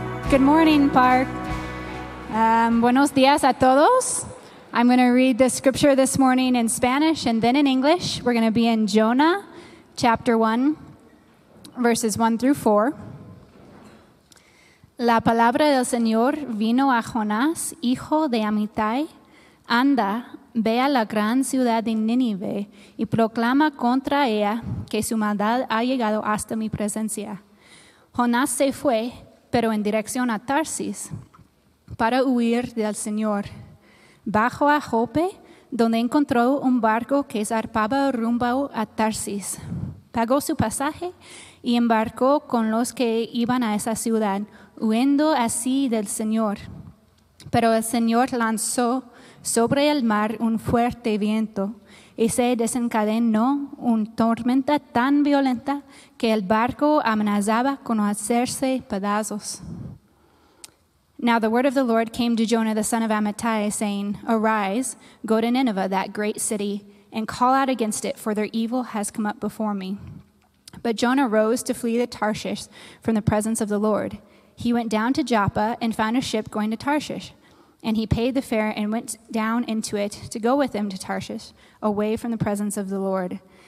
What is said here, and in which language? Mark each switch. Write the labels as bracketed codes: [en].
[en] Good morning, Park. [es] Buenos dias a todos. [en] I'm going to read the scripture this morning in Spanish and then in English. We're going to be in Jonah chapter 1, verses 1 through 4. [es] La palabra del Señor vino a Jonás, hijo de Amitai. Anda, ve a la gran ciudad de Nínive y proclama contra ella que su maldad ha llegado hasta mi presencia. Jonás se fue, pero en dirección a Tarsis, para huir del Señor. Bajó a Jope, donde encontró un barco que zarpaba rumbo a Tarsis. Pagó su pasaje y embarcó con los que iban a esa ciudad, huyendo así del Señor. Pero el Señor lanzó sobre el mar un fuerte viento y se desencadenó una tormenta tan violenta que el barco amenazaba con hacerse pedazos. [en] Now the word of the Lord came to Jonah the son of Amittai, saying, Arise, go to Nineveh, that great city, and call out against it, for their evil has come up before me. But Jonah rose to flee to Tarshish from the presence of the Lord. He went down to Joppa and found a ship going to Tarshish. And he paid the fare and went down into it to go with him to Tarshish, away from the presence of the Lord.